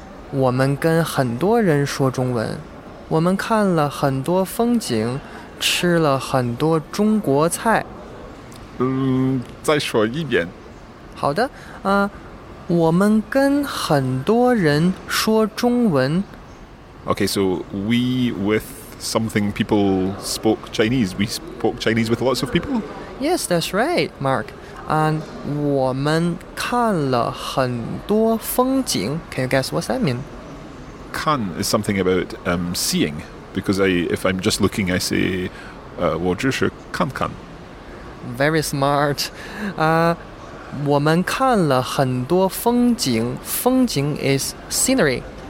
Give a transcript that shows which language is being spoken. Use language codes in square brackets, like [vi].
[zh] 我们跟很多人说中文, 我们看了很多风景, 吃了很多中国菜. 再说一遍。好的, 我们跟很多人说中文。 [en] Okay, so we with something people spoke Chinese. We spoke Chinese with lots of people. Yes, that's right, Mark. [zh] And 我们看了很多风景。 [en] Can you guess what that mean? 看 is something about seeing. Because if I'm just looking, I say [zh] 我只是看看。 [en] Very smart. [zh] 我们看了很多风景. [en] 风景 is scenery.